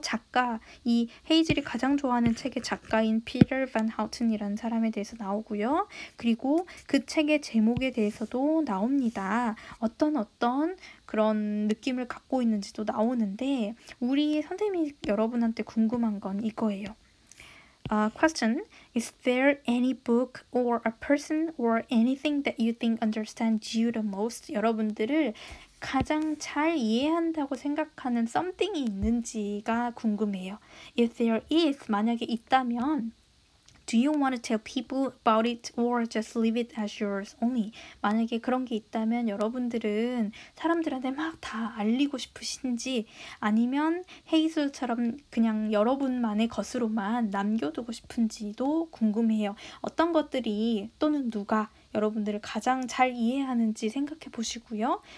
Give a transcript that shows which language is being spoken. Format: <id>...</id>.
<ko>작가, 이 헤이즐이 가장 좋아하는 책의 작가인 피터 반 하우튼이라는 사람에 대해서 나오고요. 그리고 그 책의 제목에 대해서도 나옵니다. 어떤 그런 느낌을 갖고 있는지도 나오는데 우리 선생님이 여러분한테 궁금한 건 이거예요.</ko> <en>Question, is there any book or a person or anything that you think understand you the most?</en> <ko>여러분들을 가장 잘 이해한다고 생각하는 something이 있는지가 궁금해요.</ko> <en>If there is,</en> <ko>만약에 있다면,</ko> <en>do you want to tell people about it or just leave it as yours only?</en> <ko>만약에 그런 게 있다면 여러분들은 사람들한테 막 다 알리고 싶으신지 아니면 헤이즐처럼 그냥 여러분만의 것으로만 남겨두고 싶은지도 궁금해요. 어떤 것들이 또는 누가 여러분들을 가장 잘 이해하는지 생각해 보시고요.</ko>